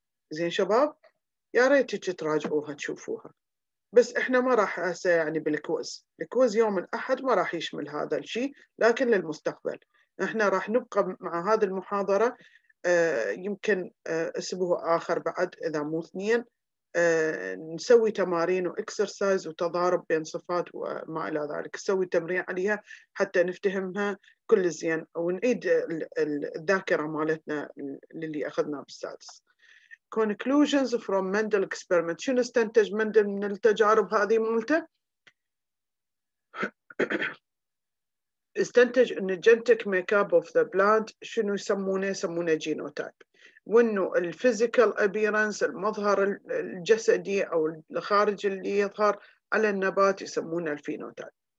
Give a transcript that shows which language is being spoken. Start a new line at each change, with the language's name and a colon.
Arabic: زين شباب، يا ريت تراجعوها تشوفوها، بس إحنا ما راح أسا يعني بالكوز، الكوز يوم الأحد ما راح يشمل هذا الشيء، لكن للمستقبل إحنا راح نبقى مع هذه المحاضرة يمكن أسبوع آخر بعد إذا مو اثنين، نسوي تمارين وإكسرسايز وتضارب بين صفات وما إلى ذلك، نسوي تمرين عليها حتى نفتهمها كل زين ونعيد الذاكرة مالتنا اللي أخذناها بالسادس.
English: Conclusions from Mendel experiment.
Arabic: شنو استنتج مندل من التجارب هذه مالته؟ استنتج ان
English: الجينتك make up of the plant
Arabic: شنو يسمونه؟ يسمونه جينوتايب، وانه الفيزيكال ابييرنس المظهر الجسدي او الخارج اللي يظهر على النبات يسمونه الفينوتايب.